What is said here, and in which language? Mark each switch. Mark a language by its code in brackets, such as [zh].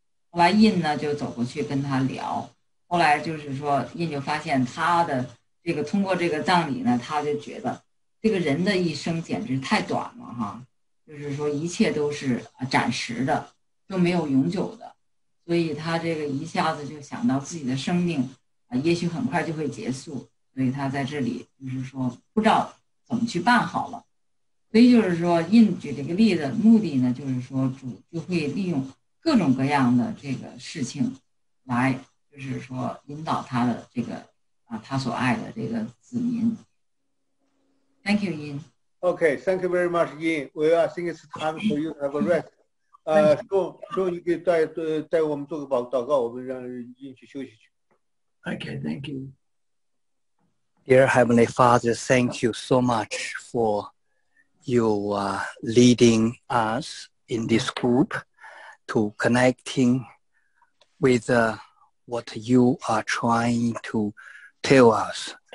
[zh] 后来印呢就走过去跟他聊，后来就是说印就发现他的这个通过这个葬礼呢，他就觉得这个人的一生简直太短了哈，就是说一切都是暂时的，都没有永久的，所以他这个一下子就想到自己的生命也许很快就会结束，所以他在这里就是说不知道怎么去办好了。所以就是说印举这个例子目的呢，就是说主就会利用各种各样的这个事情来就是说引导他的这个他所爱的这个子民。 [en] Thank you, Yin. Okay, thank you very much, Yin. Well, I think it's time for you to have a rest. [zh] 说你给带我们做个祷告，我们让Yin去休息去。 [en] Okay, thank you. Dear Heavenly Father, thank you so much for your leading us in this group to connecting with what you are trying to tell us.